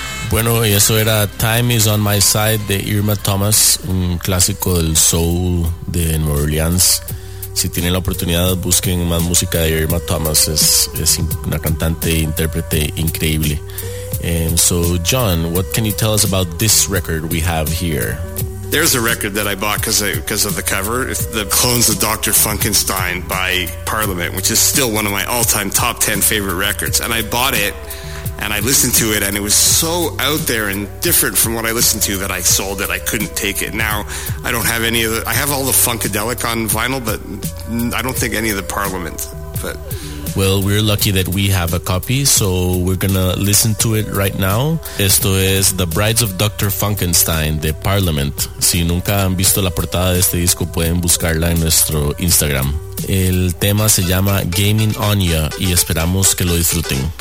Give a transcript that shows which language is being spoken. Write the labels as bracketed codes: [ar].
[es] Bueno, y eso era Time Is On My Side de Irma Thomas, un clásico del soul de Nueva Orleans. Si tienen la oportunidad, busquen más música de Irma Thomas. Es una cantante e intérprete increíble. [en] So, John, what can you tell us about this record we have here? There's a record that I bought because of the cover. It's The Clones of Dr. Funkenstein by Parliament, which is still one of my all-time top 10 favorite records. And I bought it. And I listened to it, and it was so out there and different from what I listened to that I sold it. I couldn't take it. Now, I don't have any of the... I have all the Funkadelic on vinyl, but I don't think any of the Parliament. But well, we're lucky that we have a copy, so we're going to listen to it right now. [es] Esto es The Brides of Dr. Funkenstein, de Parliament. Si nunca han visto la portada de este disco, pueden buscarla en nuestro Instagram. El tema se llama Gaming On Ya, y esperamos que lo disfruten.